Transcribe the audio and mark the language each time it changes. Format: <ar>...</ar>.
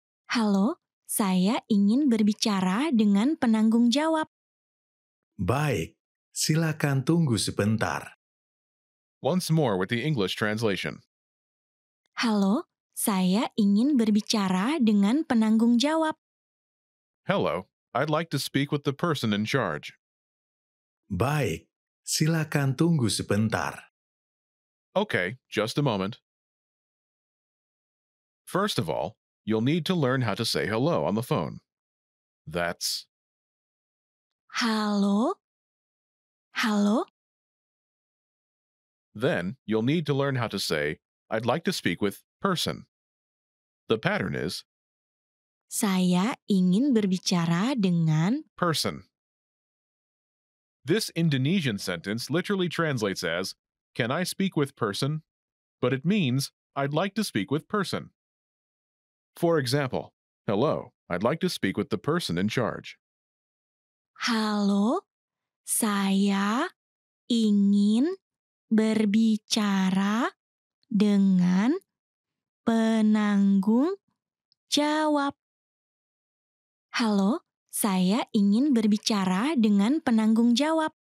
<id>Halo, saya ingin berbicara dengan penanggung jawab. Baik, silakan tunggu sebentar.</id> <en>Once more with the English translation.</en> <id>Halo, saya ingin berbicara dengan penanggung jawab.</id> <en>Hello, I'd like to speak with the person in charge.</en> <id>Baik, silakan tunggu sebentar.</id> <en>Okay, just a moment. First of all, you'll need to learn how to say hello on the phone. That's...</en> <id>Halo? Halo?</id> <en>Then, you'll need to learn how to say, I'd like to speak with person. The pattern is...</en> <id>Saya ingin berbicara dengan...</id> <en>Person. This Indonesian sentence literally translates as, Can I speak with person? But it means, I'd like to speak with person. For example, hello, I'd like to speak with the person in charge.</en> <id>Halo, saya ingin berbicara dengan penanggung jawab. Halo, saya ingin berbicara dengan penanggung jawab.</id>